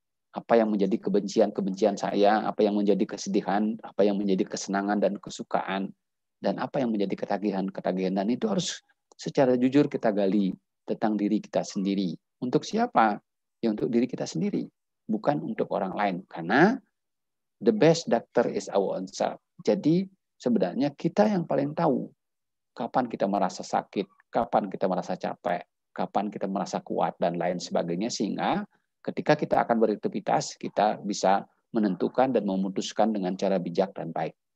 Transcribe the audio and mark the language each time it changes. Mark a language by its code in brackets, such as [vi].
[id] Apa yang menjadi kebencian-kebencian saya, apa yang menjadi kesedihan, apa yang menjadi kesenangan dan kesukaan, dan apa yang menjadi ketagihan-ketagihan. Dan itu harus secara jujur kita gali tentang diri kita sendiri. Untuk siapa? Ya untuk diri kita sendiri. Bukan untuk orang lain. Karena [en] the best doctor is our own self. [id] Jadi sebenarnya kita yang paling tahu kapan kita merasa sakit, kapan kita merasa capek, kapan kita merasa kuat, dan lain sebagainya. Sehingga ketika kita akan beraktivitas, kita bisa menentukan dan memutuskan dengan cara bijak dan baik.